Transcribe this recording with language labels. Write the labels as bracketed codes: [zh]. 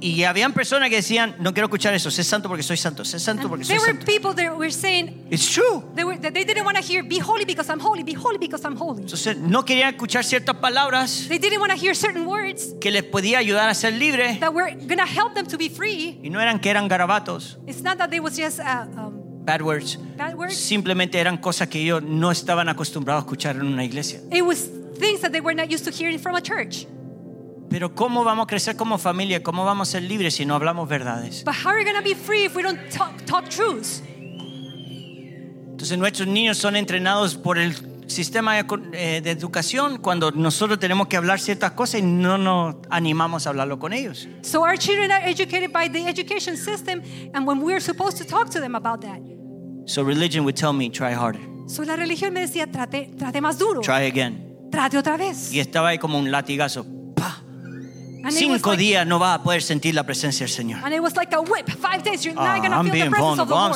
[es] Y habían personas que decían, no quiero escuchar eso. Sé santo porque soy santo. Sé santo [en] and [es] porque [en] there [es] soy [en] were [es] santo. [en] People that were saying, it's true. They didn't want to hear, be holy because I'm holy. Be holy because I'm holy. [es] Entonces, no querían escuchar ciertas palabras. [en] They didn't want to hear certain words [es] que les podía ayudar a ser libre. [en] That were gonna help them to be free. [es] Y no eran que eran garabatos. [en] It's not that they was just bad words. Bad words. [es] Simplemente eran cosas que ellos no estaban acostumbrados a escuchar en una iglesia. [en] It was things that they were not used to hearing from a church. [es] Pero cómo vamos a crecer como familia, cómo vamos a ser libres si no hablamos verdades. [en] But how are we going to be free if we don't talk truths? [es] Entonces nuestros niños son entrenados por el sistema de educación cuando nosotros tenemos que hablar ciertas cosas y no nos animamos a hablarlo con ellos. [en] So our children are educated by the education system and when we are supposed to talk to them about that. So religion would tell me, try harder. [es] So la religión me decía, trate más duro. [en] Try again. [es] Trate otra vez. Y estaba ahí como un latigazo. Cinco días no vas a poder sentir la presencia del Señor. [en] And it was like a whip. 5 days, you're not going to feel the presence of the Lord.